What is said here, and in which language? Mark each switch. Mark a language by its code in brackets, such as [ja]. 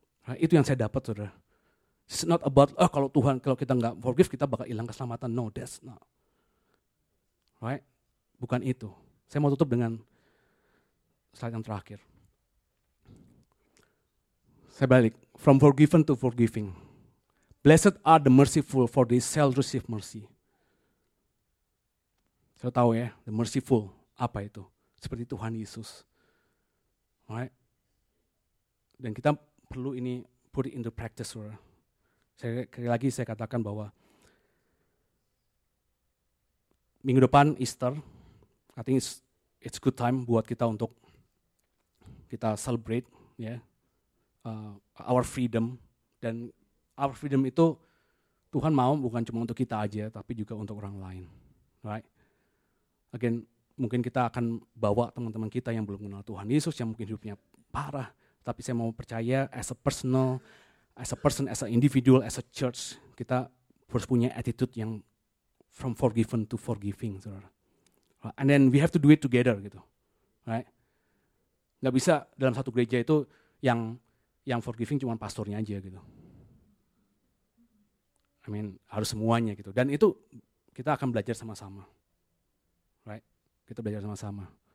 [id] Nah, itu yang saya dapat, saudara. [en] It's not about, [id] oh kalau Tuhan, kalau kita enggak forgive, kita bakal hilang keselamatan. [en] No, that's not. Right? [id] Bukan itu. Saya mau tutup dengan slide yang terakhir. Saya balik. [en] From forgiven to forgiving. Blessed are the merciful, for they shall receive mercy. [id] Saya tahu ya, [en] the merciful, [id] apa itu? Seperti Tuhan Yesus. Right? Dan kita perlu ini [en] put it into practice. [id] Saya, lagi saya katakan bahwa Minggu depan [en] Easter, I think it's good time [id] buat kita untuk kita [en] celebrate, our freedom. [id] Dan [en] our freedom [id] itu Tuhan mau bukan cuma untuk kita aja, tapi juga untuk orang lain, right? Again, mungkin kita akan bawa teman-teman kita yang belum kenal Tuhan Yesus, yang mungkin hidupnya parah, tapi saya mau percaya [en] as a personal, as a person, as a individual, as a church, [id] kita harus punya attitude yang [en] from forgiven to forgiving, [id] saudara. [en] And then we have to do it together, [id] gitu, [en] right? [id] Gak bisa dalam satu gereja itu yang forgiving cuma pastornya aja, gitu. [en] I mean, [id] harus semuanya, gitu. Dan itu kita akan belajar sama-sama, right? Kita belajar sama-sama.